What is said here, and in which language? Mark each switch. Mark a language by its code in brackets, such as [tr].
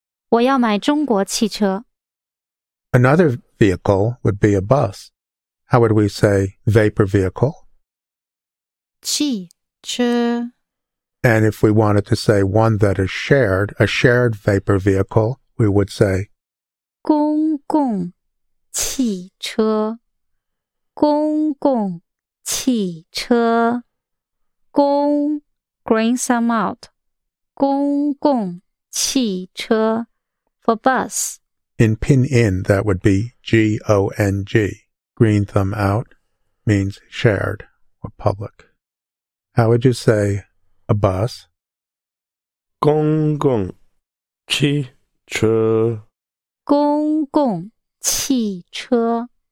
[zh] 我要买中国汽车。 [en] Another vehicle would be a bus. How would we say vapor vehicle? [zh] 汽车。 [en] And if we wanted to say one that is shared, a shared vapor vehicle, we would say [zh] 公共汽车公共汽车公 [en] green sum out [zh] 公共汽车 [en] for bus. In Pinyin, that would be G-O-N-G. Green thumb out means shared or public. How would you say... A bus. [zh] 公共汽车公共汽车